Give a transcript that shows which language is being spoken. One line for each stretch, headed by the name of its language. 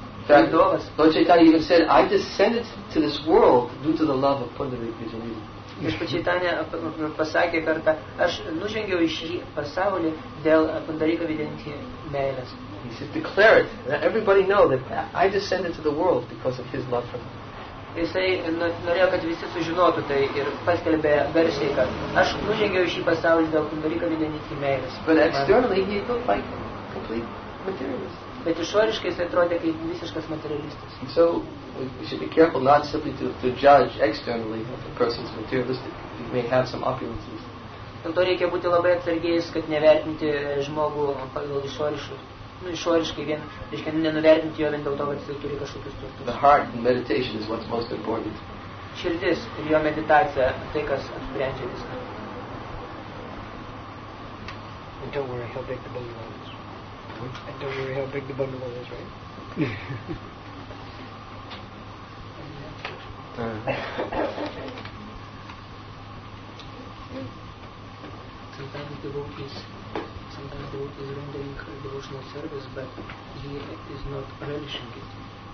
English: Lord Chaitanya even said, "I descended to this world due to the love of Pundarika Vidyaniti."
Lithuanian: Viešpats Chaitanya pasakė kartą, "Aš nužengiau į šį pasaulį dėl Pundarika Vidyaniti meilės."
English: He said, "Declare it, that everybody know that I descended to the world because of his love for me."
Lithuanian: Jisai norėjo, kad visi sužinotų tai ir paskelbė garsiai, kad aš nužengiau į šį pasaulį dėl Pundarika Vidyaniti meilės.
English: But externally he looked like complete materialist.
Lithuanian: Bet išoriškai jis atrodė kaip visiškas materialistas.
English: So we should be careful not simply to judge externally if a person's materialistic, he may have some opulences.
Lithuanian: Dėl to reikia būti labai atsargiais, kad nevertinti žmogų pagal išoriškai vien, reiškia, nenuvertinti jo vien dėl to, kad jis turi kažkokius turtus.
English: The heart and meditation is what's most important.
Lithuanian: Širdis ir jo meditacija tai, kas apsprendžia viską.
English: Don't worry, he'll break the bungalow. And don't worry how big the bundle is, right? Sometimes the devotee is rendering devotional service, but he is not relishing it.